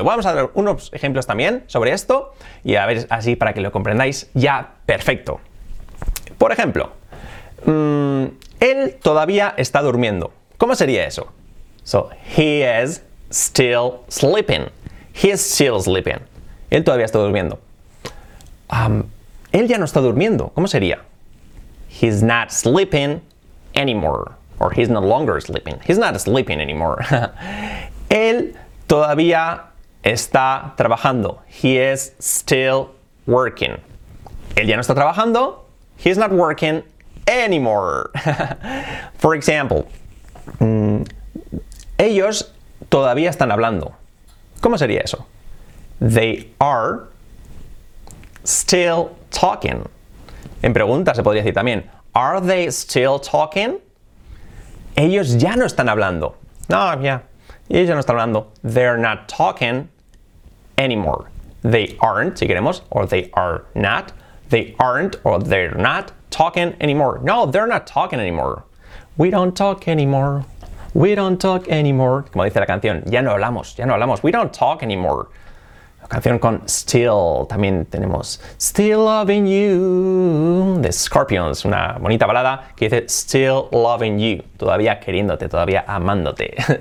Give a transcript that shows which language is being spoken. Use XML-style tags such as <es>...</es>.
<es>Vamos a dar unos ejemplos también sobre esto y a ver así para que lo comprendáis ya perfecto. Por ejemplo, él todavía está durmiendo. ¿Cómo sería eso?</es> <en>So, he is still sleeping. He's still sleeping.</en> <es>Él todavía está durmiendo. Él ya no está durmiendo. ¿Cómo sería?</es> <en>He's not sleeping anymore. Or he's no longer sleeping. He's not sleeping anymore.</en> <es>Él todavía está trabajando.</es> <en>He is still working.</en> <es>Él ya no está trabajando.</es> <en>He's not working anymore. For example,</en> <es>ellos todavía están hablando. ¿Cómo sería eso?</es> <en>They are still talking.</en> <es>En pregunta se podría decir también,</es> <en>are they still talking?</en> <es>Ellos ya no están hablando. No, ya. Ellos ya no están hablando.</es> <en>They're not talking anymore. They aren't,</en> <es>si queremos,</es> <en>or they are not. They aren't, or they're not talking anymore. No, they're not talking anymore. We don't talk anymore. We don't talk anymore.</en> <es>Como dice la canción, ya no hablamos, ya no hablamos.</es> <en>We don't talk anymore.</en> <es>La canción con Still, también tenemos Still Loving You, de Scorpions. Una bonita balada que dice Still Loving You. Todavía queriéndote, todavía amándote.</es>